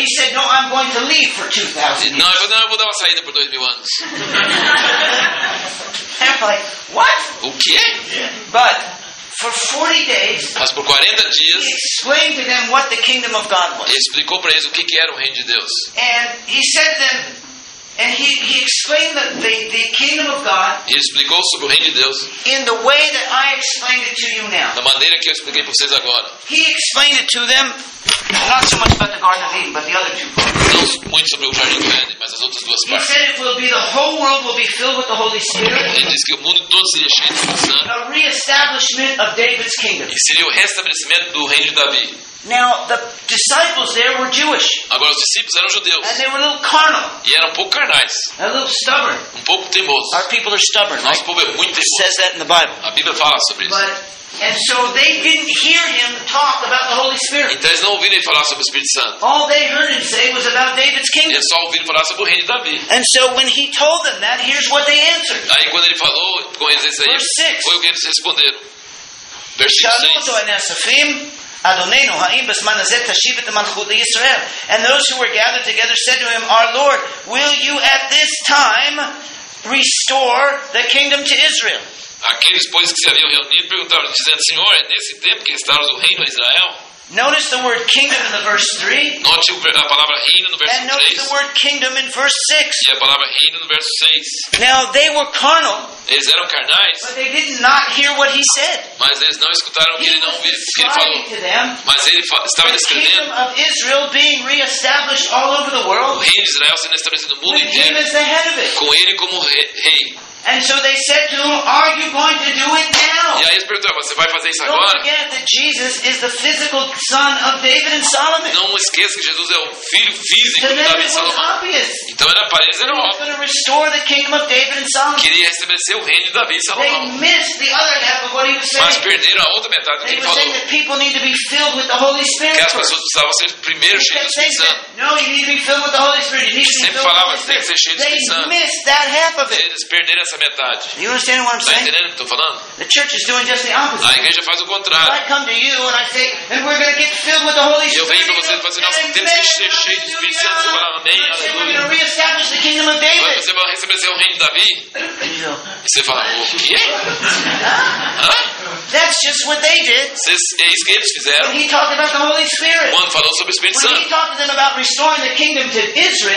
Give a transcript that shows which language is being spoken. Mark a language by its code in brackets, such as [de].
[en] And he said, "No, I'm going to leave for 2,000 years." [pt] Não, eu vou dar uma saída por 2,000 anos. [en] And I'm like, "What?" [pt] O quê? [en] Yeah. But for 40 days. [pt] Mas por 40 dias. [en] He explained to them what the kingdom of God was. [pt] Ele explicou para eles o que era o reino de Deus. [en] And he said them. And he explained the kingdom of God. [pt] Ele explicou sobre o reino de Deus. [en] In the way that I explained it to you now. [pt] Da maneira que eu expliquei para vocês agora. [en] He explained it to them not so much about the Garden of Eden, but the other two parts. [pt] Não muito sobre o Jardim do Éden, mas as outras duas partes. [en] He said it will be the whole world will be filled with the Holy Spirit. [pt] Ele disse que o mundo todo seria cheio do Espírito Santo. [en] A reestablishment of David's kingdom. [pt] E seria o restabelecimento do reino de Davi. [en] Now the disciples there were Jewish. [pt] Agora os discípulos eram judeus. [en] And they were a little carnal. [pt] E eram um pouco carnais. [en] A little stubborn. [pt] Um pouco teimosos. [en] Our people are stubborn. [pt] Nosso povo é muito teimoso. [en] It says that in the Bible. [pt] A Bíblia fala sobre isso. [en] And so they didn't hear him talk about the Holy Spirit. [pt] Então eles não ouviram ele falar sobre o Espírito Santo. [en] All they heard him say was about David's kingdom. [pt] Eles só ouviram falar sobre o reino de Davi. [en] And so when he told them that, here's what they answered. [pt] Aí quando ele falou com eles isso aí, foi o que eles responderam. Versículo [he] 6. Adonenu, ha'im b'sman hazeh tashiv et ha'malchut l'Yisrael. [en] And those who were gathered together said to him, Our Lord, will you at this time restore the kingdom to Israel? [pt] Aqueles, pois, que se haviam reunido, perguntaram, dizendo, Senhor, é nesse tempo que restaura o reino a Israel? [en] Notice the word kingdom in the verse 3. [pt] Note a palavra reino no verso 3. [en] And notice 3. The word kingdom in verse 6. [pt] E a palavra reino no verso 6. [en] Now they were carnal. [pt] Eles eram carnais. [en] But they did not hear what he said. [pt] Mas eles não escutaram o que ele não ouviu, o que ele falou. [en] To them, [pt] mas ele estava descrevendo. [en] The kingdom of Israel being reestablished all over the world. [pt] O reino de Israel sendo estabelecido no mundo inteiro. [en] With him as the head of it. [pt] Com ele como rei. [en] And so they said to him, "Are you going to do it now?" [pt] E aí eles perguntaram, você vai fazer isso agora? [en] Don't forget that Jesus is the physical son of David and Solomon. [pt] Não esqueça que Jesus é o filho físico de Davi e Salomão. Então era para eles, era óbvio. [en] He was going to restore the kingdom of David and Solomon. [pt] Queria estabelecer o reino de Davi e Salomão. [en] They missed the other half of what he was saying. [pt] Mas perderam a outra metade do que ele falou. [en] They were saying that people need to be filled with the Holy Spirit. [pt] Que as pessoas precisavam ser primeiro cheias do Espírito Santo. [en] No, you need to be filled with the Holy Spirit. You need to be [pt] sempre falava, tem que ser cheio do Espírito Santo. [en] They missed that half of it. [pt] Eles perderam essa metade. [en] You understand what I'm saying? [pt] Tá entendendo o que estou falando? [en] The church is doing just the opposite. [pt] A igreja faz o contrário. [en] I come to you and I say, and we're going to get filled with the Holy Spirit. [pt] Eu venho para você fazer nosso tempo ser cheio do Espírito Santo. Você fala, amém, aleluia. [en] We're going to reestablish the kingdom of David. [pt] Você vai receber o reino de Davi? E você fala, o quê? [en] That's just what they did. [pt] É isso que eles fizeram. [en] When he talked about the Holy Spirit. [pt] Quando falou sobre o Espírito Santo. [en] When he talked to them about restoring the kingdom to Israel.